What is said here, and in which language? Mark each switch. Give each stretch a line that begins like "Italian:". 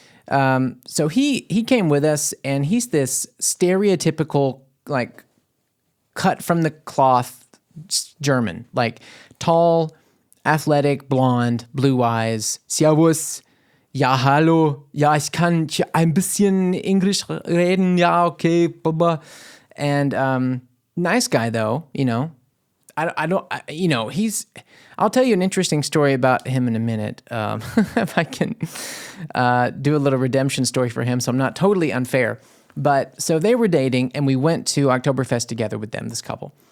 English: So he came with us, and he's this stereotypical, like, cut from the cloth German, like tall, athletic, blonde, blue eyes.
German: Servus. Ja, hallo. Ja, ich kann ein bisschen English reden. Ja, okay. Blah, blah.
English: And nice guy, though, you know. I'll tell you an interesting story about him in a minute. if I can do a little redemption story for him, so I'm not totally unfair. But so they were dating, and we went to Oktoberfest together with them, this couple.